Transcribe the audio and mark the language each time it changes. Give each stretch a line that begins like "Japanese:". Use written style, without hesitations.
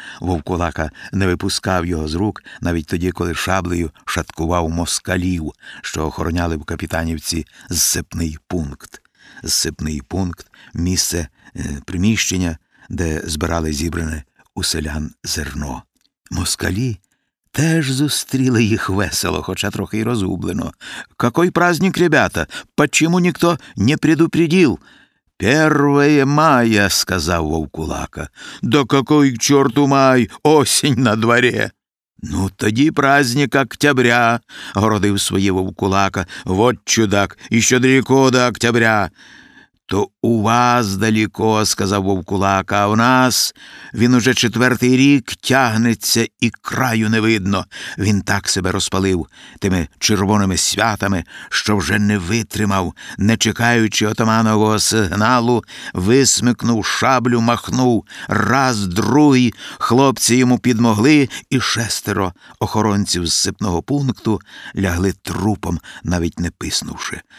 Ukrainian: Вовкулака не випускав його з рук, навіть тоді, коли шаблею шаткував москалів, що охороняли в Капітанівці зсипний пункт. Зсипний пункт – місце, приміщення, де збирали зібране у селян зерно. Москалі теж зустріли їх весело, хоча трохи й розгублено.
Russian: «Какой праздник, ребята? Почему ніхто не предупредил?» «Первое мая», – сказав Вовкулака. «Да какой к черту май? Осень на дворе!»
Ukrainian: «Ну, тоді
Russian: праздник октября»,
Ukrainian: – городив своє Вовкулака.
Russian: «Вот чудак, еще далеко до октября».
Ukrainian: «То у вас далеко», – сказав Вовкулака, – «а у нас він уже четвертий рік тягнеться і краю не видно. Він так себе розпалив тими червоними святами, що вже не витримав, не чекаючи отаманового сигналу, висмикнув шаблю, махнув раз, другий, хлопці йому підмогли, і шестеро охоронців з сипного пункту лягли трупом, навіть не писнувши.